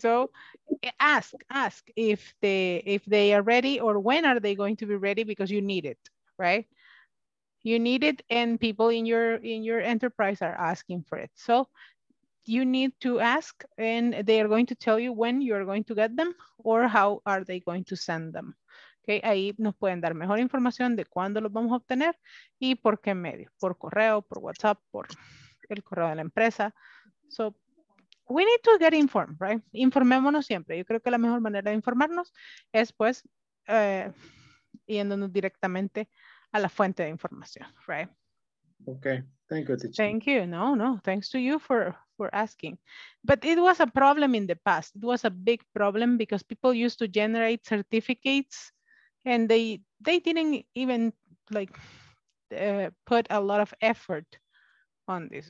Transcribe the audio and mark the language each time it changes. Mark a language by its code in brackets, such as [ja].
[en] So ask if they are ready or when are they going to be ready, because you need it, right? You need it, and people in your enterprise are asking for it. So you need to ask, and they are going to tell you when you're going to get them or how are they going to send them. [es] Okay, ahí nos pueden dar mejor información de cuándo los vamos a obtener y por qué medio, por correo, por WhatsApp, por el correo de la empresa. [en] So, we need to get informed, right? [es] Informémonos siempre. Yo creo que la mejor manera de informarnos es pues yéndonos directamente a la fuente de información, right? [en] Okay, thank you, teacher. Thank you, no, thanks to you for asking. But it was a problem in the past. It was a big problem because people used to generate certificates and they didn't even like put a lot of effort on this.